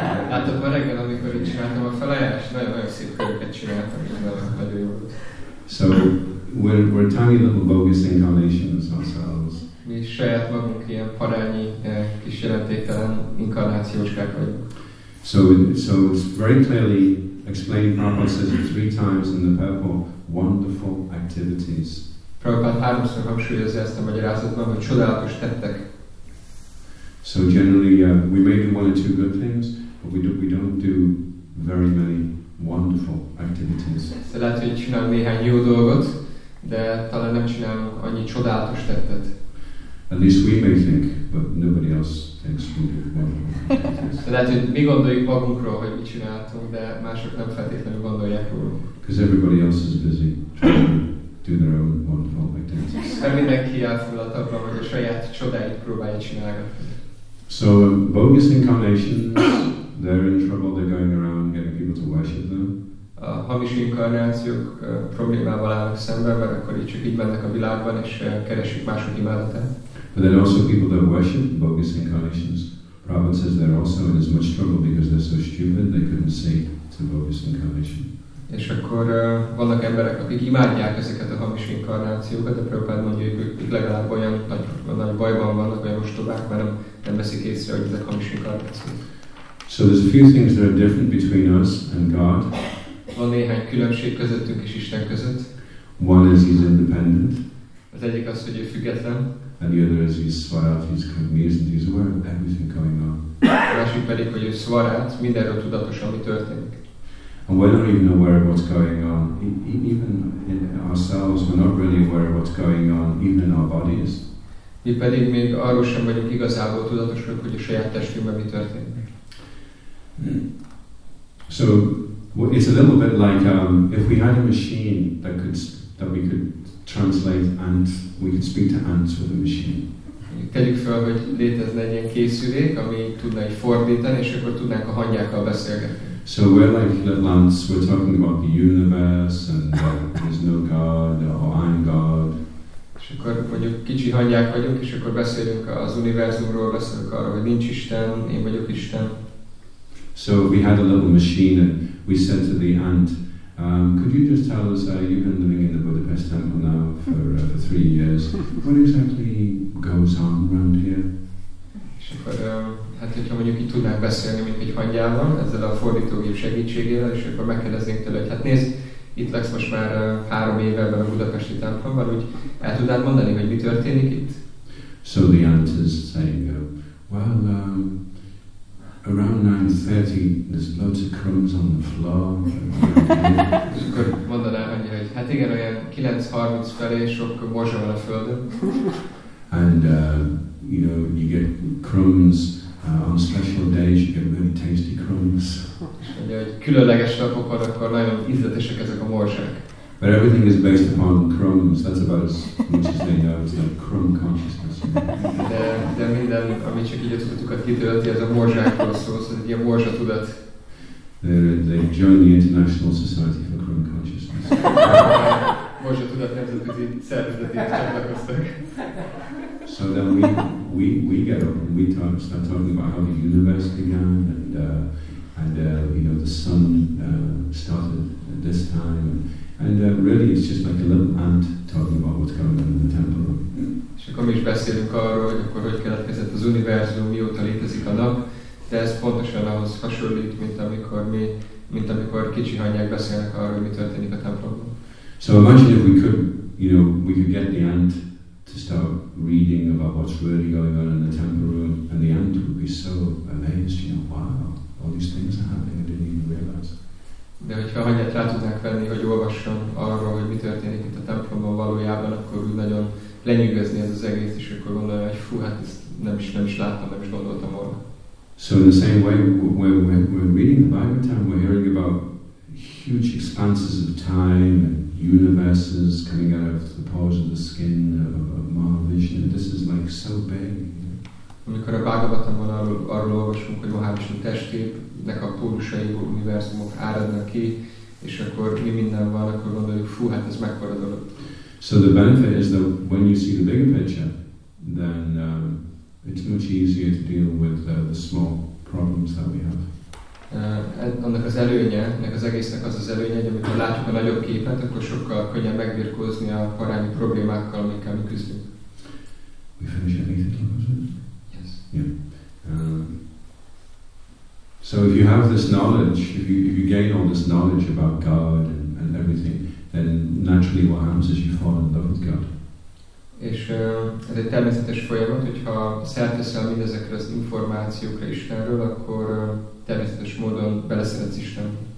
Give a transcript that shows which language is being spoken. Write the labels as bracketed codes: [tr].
[hu] Láttam a reggel, amikor itt csináltam a felajánlást. Nagyon szép köröket csináltam, és nagyon jó volt. [en] So we're tiny little bogus incarnations ourselves. [hu] Mi saját magunk ilyen parányi, kis jelentéktelen inkarnációskák vagyunk. [en] So it's very clearly explained, Prabhupada says it three times in the purport, wonderful activities. [hu] Prabhupada háromszor hangsúlyozza ezt a magyarázatban, hogy csodálatos tettek. [en] So generally, we may do one or two good things, but we don't do very many wonderful activities. [hu] So lehet, hogy csinálunk néhány jó dolgot, de talán nem csinálunk annyi csodálatos tettet. [en] At least we may think, but nobody else thinks we do wonderful. [hu] Lehet, hogy mi gondoljuk magunkról, hogy mit csináltunk, de mások nem feltétlenül gondolják róla. [en] Because everybody else is busy trying to do their own wonderful activities. [hu] Mert mindenki elfoglalt abban, hogy a saját csodáit próbálja csinálgatni. [en] So bogus incarnations, they're in trouble, they're going around getting people to worship them. [hu] A hamis inkarnációk problémával állnak szembe, mert akkor így csak így mennek a világban, és keresik mások imádatát. [en] But there are also people that worship bogus incarnations. Prabhupada says they're also in as much trouble because they're so stupid they couldn't see to bogus incarnation. [hu] És akkor vannak emberek, akik imádják ezeket a hamis inkarnációkat, de Prabhupada mondja, hogy ők legalább olyan nagy bajban vannak, olyan ostobák, mert nem veszik észre, hogy ezek hamis inkarnációk. [en] So there's a few things that are different between us and God. [hu] Van néhány különbség közöttünk és Isten között. [en] One is he's independent. [hu] Az egyik az, hogy ő független. [en] And the other is he's swarat, he's cognizant, he's aware of everything going on. [hu] A másik pedig, hogy ő swarat, mindenről tudatos, ami történik. [en] And we're not even aware of what's going on. Even in ourselves, we're not really aware of what's going on, even in our bodies. [hu] Mi pedig még arról sem vagyunk igazából tudatosak, hogy a saját testünkben mi történik. [en] So, well, it's a little bit like if we had a machine that we could translate ants, we could speak to ants with a machine. [hu] Tegyük fel, hogy létezne egy ilyen készülék, ami tudna egy fordítani, és akkor tudnánk a hangyákkal beszélgetni. [en] So we're like little ants, we're talking about the universe, and there's no God, or I'm God. [hu] És akkor mondjuk kicsi hangyák vagyunk, és akkor beszélünk az univerzumról, beszélünk arról, hogy nincs Isten, én vagyok Isten. [en] So we had a little machine and we said to the ant, could you just tell us, you've been living in the Budapest temple now for 3 years, what exactly goes on around here? [hu] És akkor, hát hogyha mondjuk itt tudnánk beszélni, mint egy hangyával, ezzel a fordítógép segítségével, és akkor megkérdeznénk tőle, hogy hát nézd, itt laksz most már 3 éve ebben a budapesti templomban, úgy el tudnád mondani, hogy mi történik itt? [en] So the ant is saying, well, around 9:30, there's loads of crumbs on the floor. [hu] És akkor mondaná, hogy hát igen, olyan 9:30 felé sok morzsa van a földön. [en] And, you get crumbs on special days, you get really tasty crumbs. [hu] És mondja, hogy különleges napokon, akkor nagyon ízletesek ezek a morzsák. [en] But everything is based upon crumbs. That's about as much as they know. It's like crumb consciousness. [hu] De minden, ami csak így a tudatukat kitölti, az a morzsákról szól, szóval egy ilyen morzsa tudat. [en] They join the International Society for Crumb Consciousness. [hu] Morzsa tudat nemzetközi szervezetéhez csatlakoztak. [en] So then we get up and we start talking about how the universe began and the sun started at this time. And really, it's just like a little ant talking about what's going on in the temple. [hu] És akkor mi is beszélünk arról, hogy akkor hogy keletkezett az univerzum, mióta létezik a nap, de ez pontosan ahhoz hasonlít, mint amikor kicsi hangyák beszélnek arról, hogy mi történik a templomban. [en] So imagine if we could, you know, we could get the ant to start reading about what's really going on in the temple room, and the ant would be so amazed, you know, wow, all these things are happening, I didn't even realize. [hu] De hogyha hangyát rá tudnánk venni, hogy olvasson arról, hogy mi történik itt a templomban valójában, akkor úgy nagyon lenyűgözni ez az egész, és akkor gondolja, hogy fú, hát ezt nem is láttam, nem is gondoltam volna. [en] So in the same way, when reading the Bible time, we're hearing about huge expanses of time and universes coming out of the pores of the skin of Mahavishnu. This is like so big. [hu] Amikor a Bhagavatamban arról olvasunk, hogy Mahavishnu testének a pórusaiból univerzumok áradnak ki, és akkor mi minden van, akkor gondoljuk, fú, hát ez mekkora dolog. [en] So the benefit is that when you see the bigger picture, then it's much easier to deal with the small problems that we have. [hu] Annak az előnye, ennek az egésznek az az előnye, hogy amikor látjuk a nagyobb képet, akkor sokkal könnyebb megbirkózni a korábbi problémákkal, amikkel mi küzdünk. [en] We finish anything? Yes. So if you have this knowledge, if you gain all this knowledge about God and everything, then naturally what happens is you fall in love with God. [hu] És ez egy természetes folyamat, hogyha szerteszel mindezekre az információkra Istenről, akkor természetes módon beleszeretsz Istenbe.